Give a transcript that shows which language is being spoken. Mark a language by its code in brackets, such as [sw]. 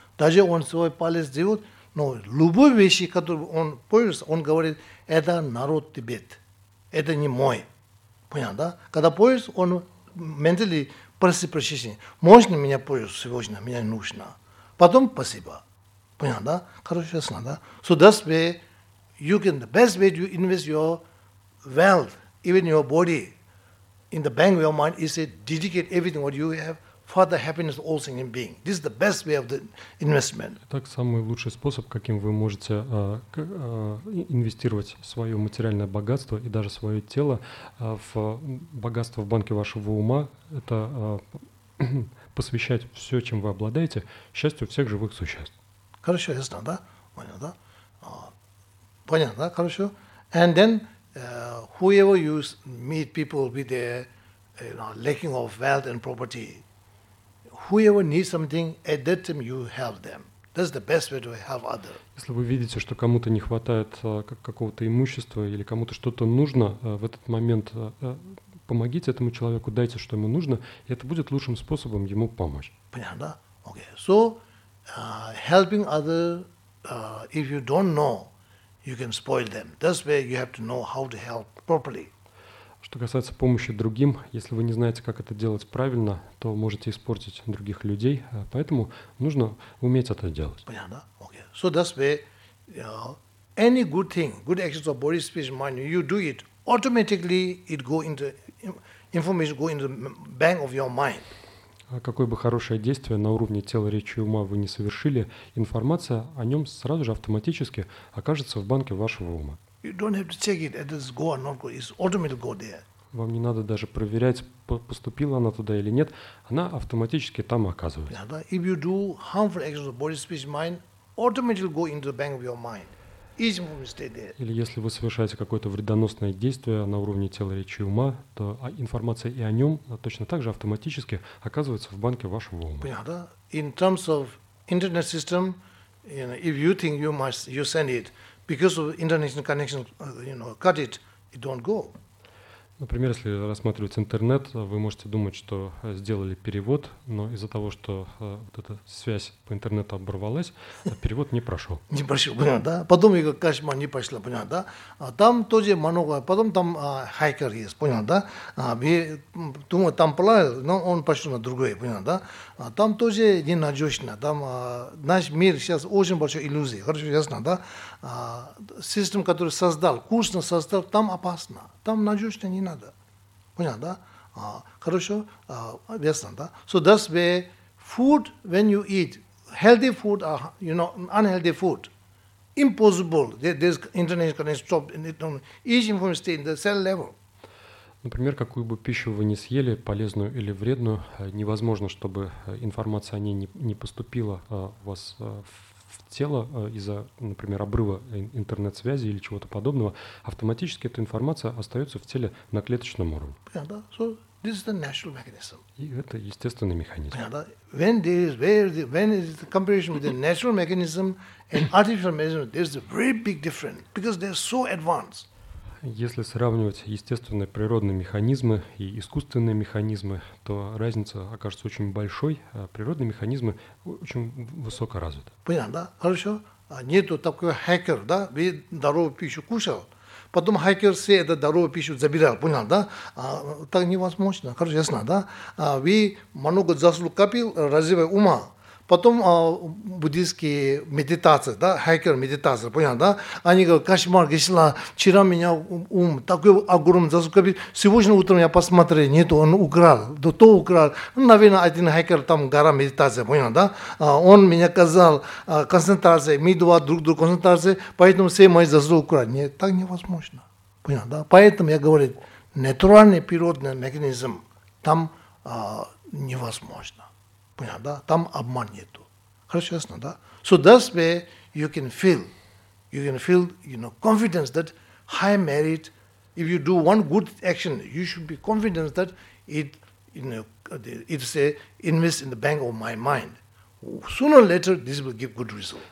[ru] Даже он свой палец делает, но любые вещи, которые он полюсти, он говорит, это народ Тибет. Это не мой. Понятно? Когда полюсти, он ментально проси прощения. Можно меня пользу сегодня, меня нужно. Потом спасибо. Понятно, да? Хорошо, ясно, да? [en] So that's way you can, the best way to invest your wealth, even your body, in the bank of your mind, is to dedicate everything what you have for the happiness of all sentient beings. This is the best way of the investment. [ru] Так самый лучший способ, каким вы можете инвестировать свое материальное богатство и даже свое тело в богатство в банке вашего ума, это посвящать все, чем вы обладаете, счастью всех живых существ. Хорошо, ясно, да? Понятно, да? Понятно, да? Хорошо. [en] And then, whoever you meet people with their lacking of wealth and property, whoever needs something, at that time you help them. That's the best way to help others. [ru] Если вы видите, что кому-то не хватает какого-то имущества или кому-то что-то нужно, в этот момент помогите этому человеку, дайте, что ему нужно, и это будет лучшим способом ему помочь. Понятно, да? Okay. [en] So, helping others, if you don't know, you can spoil them. That's where you have to know how to help properly. [ru] Что касается помощи другим, если вы не знаете, как это делать правильно, то можете испортить других людей. Поэтому нужно уметь это делать. Понятно? Okay. [en] So that's where any good thing, good actions of body, spirit, mind, you do it, automatically it go into, information go into the bank of your mind. [ru] Какое бы хорошее действие на уровне тела, речи и ума вы не совершили, информация о нем сразу же автоматически окажется в банке вашего ума. [en] You don't have to check it, it's go or not go, it's automatically go there. [ru] Вам не надо даже проверять, поступила она туда или нет, она автоматически там оказывается. [en] Yeah, if you do harmful actions of body, speech, mind, automatically go into the bank of your mind. Easy move, stay there. [ru] Или если вы совершаете какое-то вредоносное действие на уровне тела, речи и ума, то информация и о нем точно так же автоматически оказывается в банке вашего ума. Понятно, да? [en] In terms of internet system, you know, if you think you must, you send it, because of internet connection, you know, cut it, it don't go. [ru] Например, если рассматривать интернет, вы можете думать, что сделали перевод, но из-за того, что вот эта связь по интернету оборвалась, перевод не прошел. Не прошел, понятно, да? Потом его кошмар не пошло, понятно, да? Там тоже много, потом там хакер есть, понятно, да? Думаю, там плавил, но он пошел на другое, понятно, да? Там тоже ненадежно, там наш мир сейчас очень большой иллюзия, хорошо, ясно, да? Систем, который создал, курсно создал, там опасно. Там надежно не надо. Понятно, да? Хорошо? Ясно, да? [en] So that's where food, when you eat, healthy food, you know, unhealthy food, impossible. There's internet connection stop. Each information stays in the cell level. [ru] Например, какую бы пищу вы ни съели, полезную или вредную, невозможно, чтобы информация о ней не поступила у вас тело из-за, например, обрыва интернет-связи или чего-то подобного, автоматически эта информация остается в теле на клеточном уровне. [en] Понятно? So this is the natural mechanism. [ru] И это естественный механизм. Понятно? [en] When there is, the comparison with the natural mechanism and artificial mechanism, there is a very big difference because they are so advanced. [ru] Если сравнивать естественные природные механизмы и искусственные механизмы, то разница окажется очень большой. Природные механизмы очень высоко развиты. Понятно, да? Хорошо. Нету такого хакера, да? Вы здоровую пищу кушал, потом хакер все эту здоровую пищу забирал. Понял, да? Так невозможно. Хорошо, ясно, да? Вы много заслуг копил, развивая ума. Потом буддийские медитации, да, хакер медитации, понятно, да? Они говорят, кошмар, кишла, вчера меня ум такой огромный заскопил, сегодня утром я посмотрел, нету, он украл, да то украл. Ну, наверное, один хакер там гора медитации, понятно, да? Он меня казал, концентрация, мы два друг друга концентрации, поэтому все мои заслуги украли. Нет, так невозможно, понятно, да? Поэтому я говорю, натуральный природный механизм там невозможно. Понятно, да? Там обман нету. Хорошо, ясно, да? [en] So that's where you can feel, you know, confidence that high merit, if you do one good action, you should be confident that it, you know, invest in the bank of my mind. Sooner or later, this will give good result.